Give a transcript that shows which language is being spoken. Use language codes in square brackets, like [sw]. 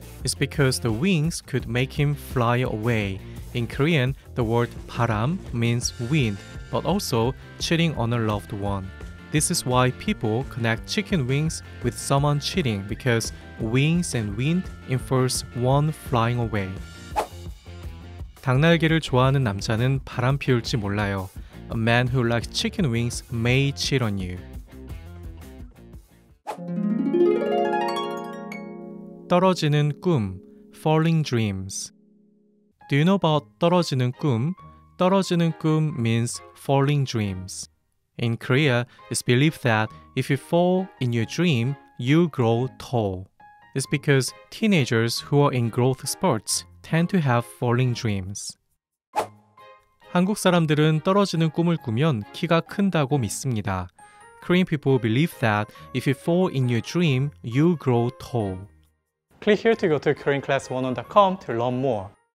[en] It's because the wings could make him fly away. In Korean, the word 바람 means wind, but also cheating on a loved one. This is why people connect chicken wings with someone cheating, because wings and wind infers one flying away. [ko] 당날개를 좋아하는 남자는 바람 피울지 몰라요. [en] A man who likes chicken wings may cheat on you. 떨어지는 꿈, falling dreams. Do you know about 떨어지는 꿈? 떨어지는 꿈 means falling dreams. In Korea, it's believed that if you fall in your dream, you grow tall. It's because teenagers who are in growth spurts tend to have falling dreams. [ko] 한국 사람들은 떨어지는 꿈을 꾸면 키가 큰다고 믿습니다. [en] Korean people believe that if you fall in your dream, you grow tall. Click here to go to koreanclass101.com to learn more.